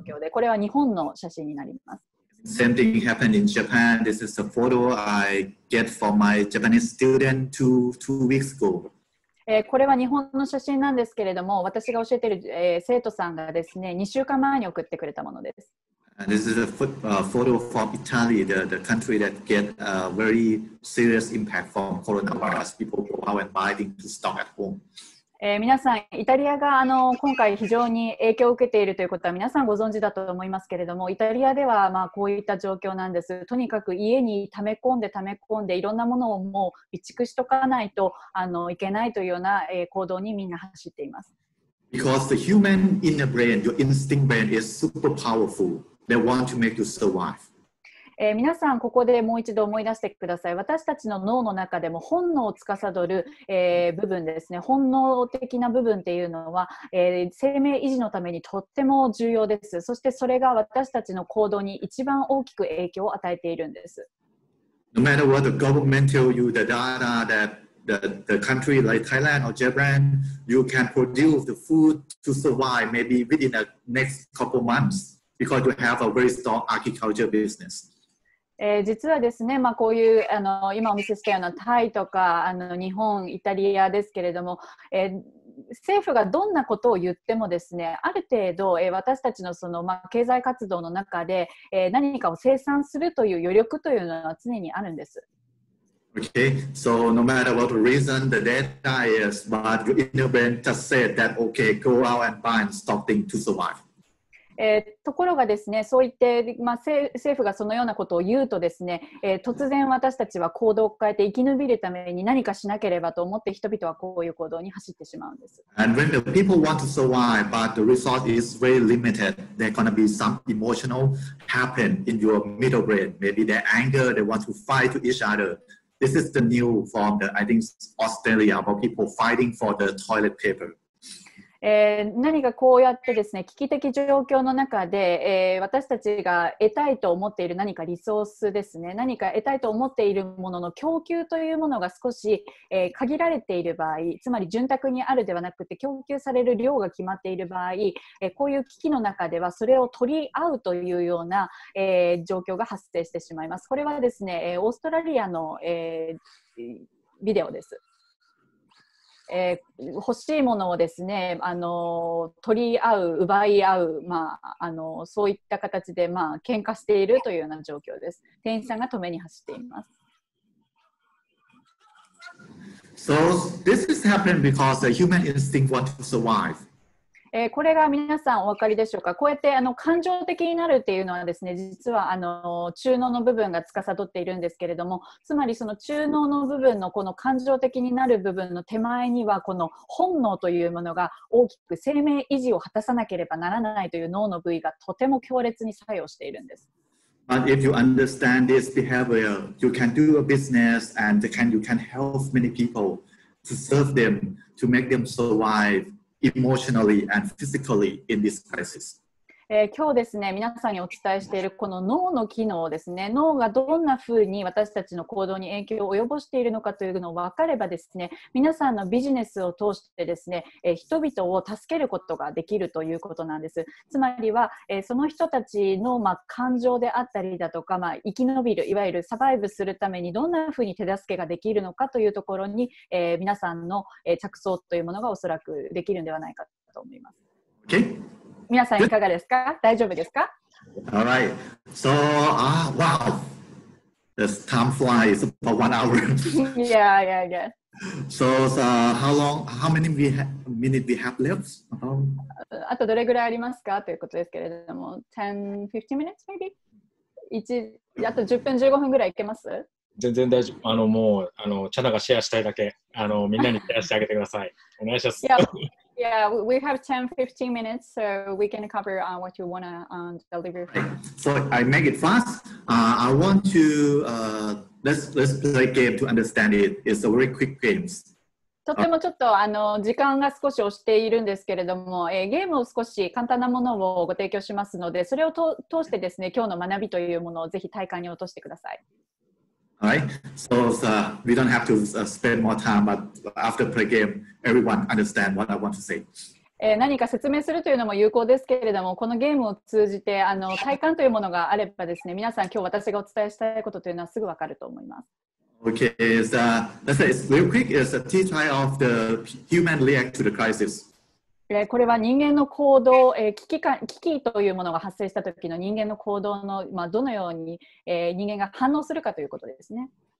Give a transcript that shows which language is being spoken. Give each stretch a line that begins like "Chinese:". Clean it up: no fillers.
Japanese: これは日本の写真になります。
English: Same thing happened in Japan. This is a photo I get from my Japanese student two weeks ago.
Japanese: これは日本の写真なんですけれども、私が教えている、生徒さんがですね、2週間前に送ってくれたものです。
English: And、this is a photo from Italy, the country that get a very serious impact from coronavirus. People go out and buy things to stock at home.
Japanese: 皆さん、イタリアが今回非常に影響を受けているということは皆さんご存知だと思いますけれども、イタリアでは、まあ、こういった状況なんです。とにかく家に溜め込んでいろんなものをもう備蓄しとかないといけないというような、行動にみんな走っています。
English: Because the human inner brain, your instinct brain is super powerful. They want to make you survive.
Japanese: 皆さんここでもう一度思い出してください。私たちの脳の中でも本能を司る、部分ですね、本能的な部分っていうのは、生命維持のためにとっても重要です。そしてそれが私たちの行動に一番大きく影響を与えているんです。
English: No matter what the government tells you, the data that the country like Thailand or Japan, you can produce the food to survive maybe within the next couple months because you have a very strong agriculture business.
Japanese: 実はですね、まあ、こういう今お見せしたようなタイとか日本、イタリアですけれども、政府がどんなことを言ってもですね、ある程度、私たちの、その、まあ、経済活動の中で、何かを生産するという余力というのは常にあるんです。
English: Okay, so no matter what reason the data is, but your inner brain just said that, okay, go out and buy and stop things to survive.
Japanese: ところがですね、そういって、まあ、政府がそのようなことを言うとですね、突然私たちは行動を変えて生き延びるために何かしなければと思って人々はこういう行動に走ってしまうんです。
English: And when the people want to survive, but the resource is very limited, there's going to be some emotional happen in your middle brain. Maybe they're anger, they want to fight to each other. This is the new form that I think Australia about people fighting for the toilet paper.
Japanese: 何かこうやってですね、危機的状況の中で、私たちが得たいと思っている何かリソースですね、何か得たいと思っているものの供給というものが少し、限られている場合、つまり潤沢にあるではなくて供給される量が決まっている場合、こういう危機の中ではそれを取り合うというような、状況が発生してしまいます。これはですね、オーストラリアの、ビデオです。欲しいものをですね、取り合う、奪い合う、まあそういった形で、まあ喧嘩しているというような状況です。店員さんが止めに走っています。
English: So this is happening because the human instinct wants to survive.
Japanese: これが皆さんお分かりでしょうか。こうやって感情的になるっていうのはですね、実は中脳の部分が司っているんですけれども、つまりその中脳の部分のこの感情的になる部分の手前にはこの本能というものが大きく生命維持を果たさなければならないという脳の部位がとても強烈に作用しているんです。
English: But if you understand this behavior, you can do a business and you can help many people to serve them, to make them survive. Emotionally and physically in this crisis.
Japanese: 今日ですね、皆さんにお伝えしているこの脳の機能ですね、脳がどんなふうに私たちの行動に影響を及ぼしているのかというのを分かればですね、皆さんのビジネスを通してですね、人々を助けることができるということなんです。つまりは、その人たちの、まあ、感情であったりだとか、まあ、生き延びる、いわゆるサバイブするためにどんなふうに手助けができるのかというところに、皆さんの、着想というものがおそらくできるのではないかと思います。
English: Okay.
Japanese: 皆さんいかがですか？大丈夫ですか？
English: All right. So, wow. This time flies about one hour. yeah. So, how many minutes we have left?
Japanese: あとどれぐらいありますかということですけれども、
English: 10-15 minutes maybe?
Japanese: あと10分15分ぐらいいけます？全然大丈夫。もう、チャナがシェアしたいだけ。みんなにシェアしてあげてください。お願いします。
English: Yeah. Yeah, we have 10-15 minutes, so we can cover what you want to deliver. So I make it fast. I want to, let's play a game to understand it. It's a very quick game.
Japanese: とてもちょっと時間が少し押しているんですけれども、ゲームを少し簡単なものをご提供しますので、それを通してですね、今日の学びというものをぜひ体感に落としてください。
English: Alright, so we don't have to spend more time, but after play game, everyone understand what I want to say.
Japanese: 何か説明するというのも有効ですけれども、このゲームを通じて体感というものがあればですね、皆さん今日私がお伝えしたいことというのはすぐ分かると思います。
English: Okay, let's say it's real quick. It's a tea time of the human react to the crisis.
Japanese: これは人間の行動、危機というものが発生した時の人間の行動の、まあ、どのように、人間が反応するかということですね。